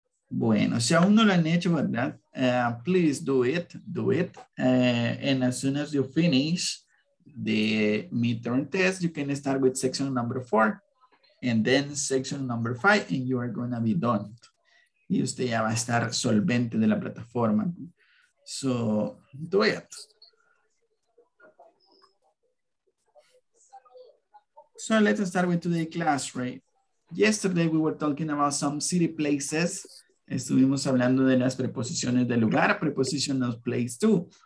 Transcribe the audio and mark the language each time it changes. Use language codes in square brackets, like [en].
[es] Bueno, si aún no lo han hecho, ¿verdad? [en] Please do it, do it. And as soon as you finish the midterm test, you can start with section number 4 and then section number 5 and you are going to be done. [es] Y usted ya va a estar solvente de la plataforma. [en] So, do it. So, let's start with today's class, right? Yesterday, we were talking about some city places. [es] Estuvimos hablando de las preposiciones de lugar, [en] preposition of place too.